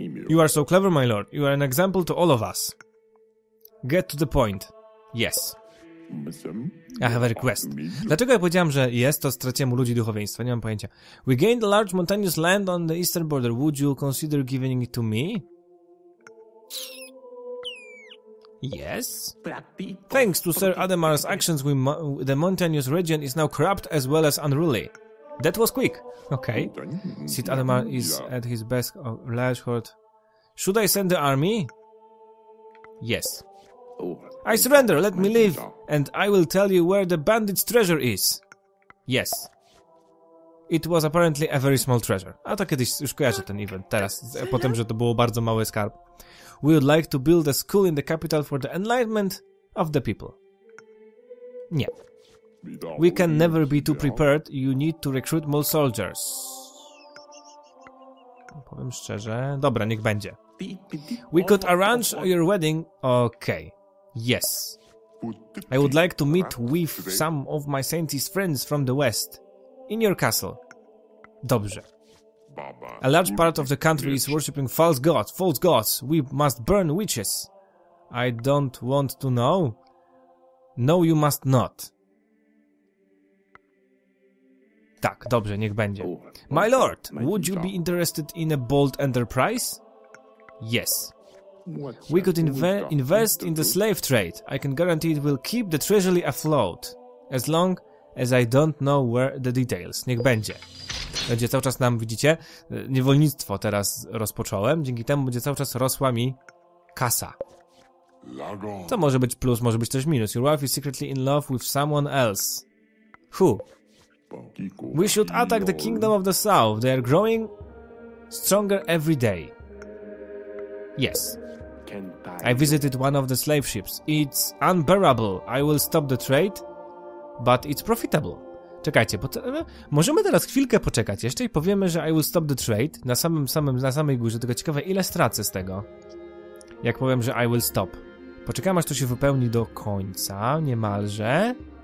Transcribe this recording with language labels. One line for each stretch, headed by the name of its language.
English: You are so clever, my lord. You are an example to all of us. Get to the point. Yes. I have a request.
Polish: Dlaczego ja powiedziałem, że jest, to straciłem u ludzi duchowieństwa? Nie mam pojęcia.
English: We gained a large mountainous land on the eastern border. Would you consider giving it to me? Yes. Thanks to Sir Adhemar's actions, the mountainous region is now corrupt as well as unruly. That was quick. Okay. Sir Adhemar is at his best of Lashhort. Should I send the army? Yes. I surrender, let me live, and I will tell you where the bandit's treasure is. Yes. It was apparently a very small treasure.
Polish: A to kiedyś już kojarzę ten event, teraz, potem, że to było bardzo mały skarb.
English: We would like to build a school in the capital for the enlightenment of the people.
Polish: Nie.
English: We can never be too prepared, you need to recruit more soldiers.
Polish: Powiem szczerze, dobra, niech będzie.
English: We could arrange your wedding, okay. Yes. I would like to meet with some of my scientist friends from the west. In your castle.
Polish: Dobrze.
English: A large part of the country is worshipping false gods. False gods. We must burn witches. I don't want to know. No, you must not.
Polish: Tak, dobrze, niech będzie.
English: My lord, would you be interested in a bold enterprise? Yes. We could invest in the slave trade. I can guarantee it will keep the treasury afloat. As long as I don't know where the details.
Polish: Niech będzie. Będzie cały czas nam, widzicie, niewolnictwo teraz rozpocząłem. Dzięki temu będzie cały czas rosła mi kasa. To może być plus, może być też minus.
English: Your wife is secretly in love with someone else. Who? We should attack the kingdom of the south. They are growing stronger every day. Yes. I visited one of the slave ships. It's unbearable. I will stop the trade, but it's profitable.
Polish: Czekajcie, możemy teraz chwilkę poczekać jeszcze i powiemy, że
English: I will stop the trade
Polish: na samej górze. Tylko ciekawe, ile stracę z tego, jak powiem, że
English: I will stop.
Polish: Poczekam, aż to się wypełni do końca, niemalże.